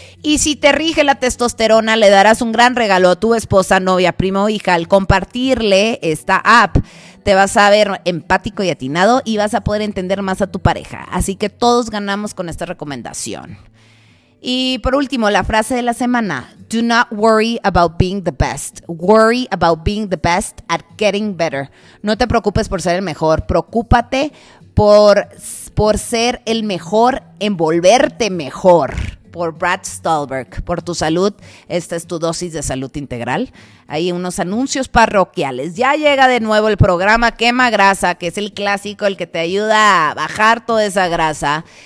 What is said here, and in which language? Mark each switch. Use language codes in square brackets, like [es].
[es] Y si te rige la testosterona, le darás un gran regalo a tu esposa, novia, primo o hija al compartirle esta app. Te vas a ver empático y atinado y vas a poder entender más a tu pareja. Así que todos ganamos con esta recomendación. Y por último, la frase de la semana: [en] do not worry about being the best. Worry about being the best at getting better. [es] No te preocupes por ser el mejor. Preocúpate por ser el mejor en volverte mejor. Por Brad Stolberg, por tu salud. Esta es tu dosis de salud integral. Hay unos anuncios parroquiales. Ya llega de nuevo el programa Quema Grasa, que es el clásico, el que te ayuda a bajar toda esa grasa.